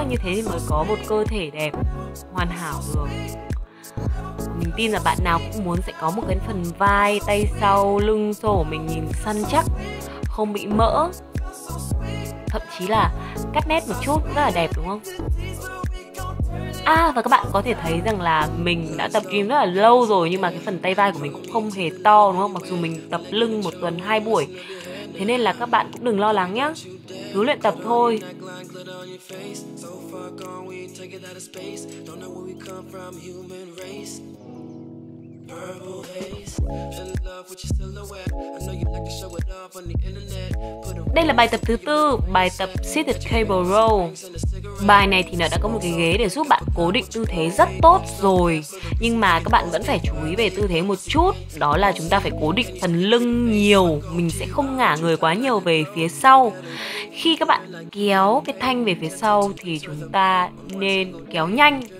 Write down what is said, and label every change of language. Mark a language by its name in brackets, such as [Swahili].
[Vietnamese] Như thế thì mới có một cơ thể đẹp, hoàn hảo được. Mình tin là bạn nào cũng muốn sẽ có một cái phần vai, tay sau, lưng sổ mình nhìn săn chắc, không bị mỡ, thậm chí là cắt nét một chút rất là đẹp đúng không? À, và các bạn có thể thấy rằng là mình đã tập gym rất là lâu rồi, nhưng mà cái phần tay vai của mình cũng không hề to đúng không? Mặc dù mình tập lưng một tuần 2 buổi. Thế nên là các bạn cũng đừng lo lắng nhé, cứ luyện tập thôi, [English] line, glitter on your face. So far gone, we ain't taking out of space. Don't know where we come from, human race. Purple haze. Fell in love with your silhouette. I know you like to show it up on the internet. [Vietnamese] Đây là bài tập thứ tư, bài tập Seated Cable Row. Bài này thì nó đã có một cái ghế để giúp bạn cố định tư thế rất tốt rồi. Nhưng mà các bạn vẫn phải chú ý về tư thế một chút. Đó là chúng ta phải cố định phần lưng nhiều. Mình sẽ không ngả người quá nhiều về phía sau. Khi các bạn kéo cái thanh về phía sau thì chúng ta nên kéo nhanh.